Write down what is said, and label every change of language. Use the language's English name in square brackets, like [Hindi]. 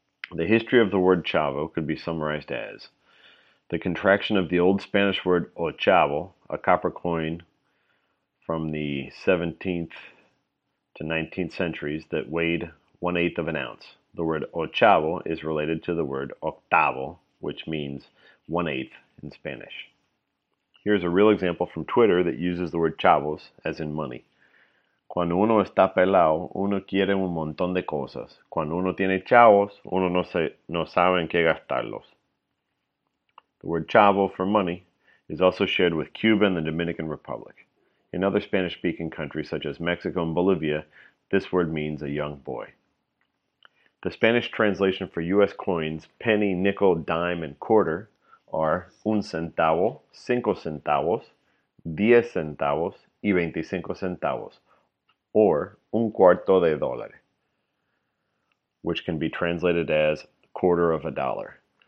[English] The history of the word chavo could be summarized as the contraction of the old Spanish word ochavo, a copper coin from the 17th to 19th centuries that weighed 1/8 of an ounce. The word ochavo is related to the word octavo, which means 1/8 in Spanish. Here's a real example from Twitter that uses the word chavos, as in money. [Spanish] Cuando uno está pelado, uno quiere un montón de cosas. Cuando uno tiene chavos, uno no sabe en qué gastarlos. [English] The word chavo for money is also shared with Cuba and the Dominican Republic. In other Spanish-speaking countries such as Mexico and Bolivia, this word means a young boy. The Spanish translation for U.S. coins, penny, nickel, dime, and quarter, are [Spanish] un centavo, cinco centavos, diez centavos, y veinticinco centavos, [English] or [Spanish] un cuarto de dólar, [English] which can be translated as quarter of a dollar.